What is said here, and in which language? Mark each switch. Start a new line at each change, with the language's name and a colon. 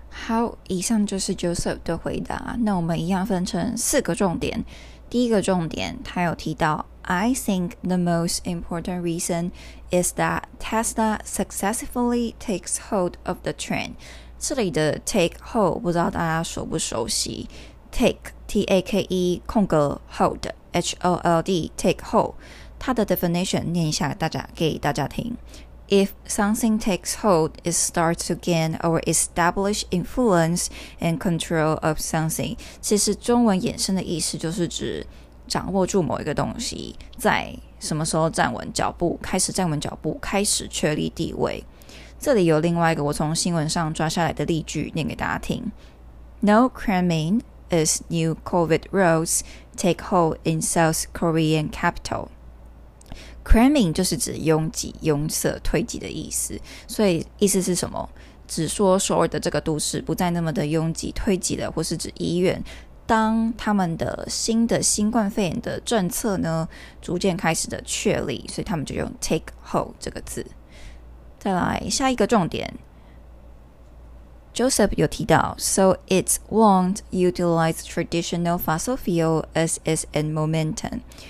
Chinese: 好，以上就是 Joseph 的回答。那我们一样分成四个重点。第一个重点，他有提到
English: I think the most important reason is that Tesla successfully takes hold of the trend.
Chinese: 这里的 take hold 不知道大家熟不熟悉， take T-A-K-E 空格 hold H-O-L-D take hold， 它的 definition 念一下大家给大家听。
English: If something takes hold, it starts to gain or establish influence and control of something.
Chinese: 其实中文衍生的意思就是指掌握住某一个东西，在什么时候站稳脚步，开始站稳脚步，开始确立地位。这里有另外一个我从新闻上抓下来的例句念给大家听。
English: No cramming as new COVID rules take hold in South Korean capital.
Chinese: Cramming 就是指拥挤、拥塞、推挤的意思，所以意思是什么？指说首尔的这个都市不再那么的拥挤、推挤了，或是指医院当他们的新的新冠肺炎的政策呢逐渐开始的确立，所以他们就用 take hold 这个字。再来下一个重点， Joseph 有提到
English: So it won't utilize traditional fossil fuel as its end momentum.